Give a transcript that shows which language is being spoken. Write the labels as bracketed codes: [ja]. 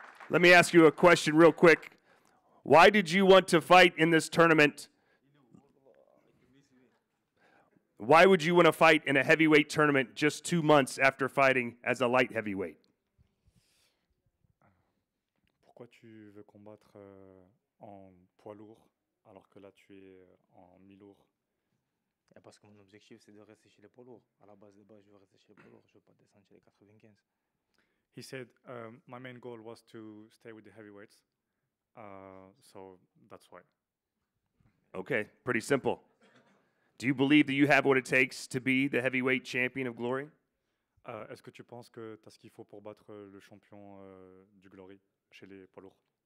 [en] Let me ask you a question real quick. Why did you want to fight in this tournament? Why would you want to fight in a heavyweight tournament just 2 months after fighting as a light heavyweight? [fr] Pourquoi tu veux combattre en poids lourd alors que là tu es en mi-lourd? Et parce que mon objectif c'est de rester chez les poids lourds. À la base de base, je veux rester chez les poids lourds, je veux pas descendre chez les 95. [en] He said, my main goal was to stay with the heavyweights, so that's why. Okay, pretty simple. Do you believe that you have what it takes to be the heavyweight champion of Glory? [fr] Est-ce que tu penses que tu as ce qu'il faut pour battre le champion du Glory chez les poids lourds?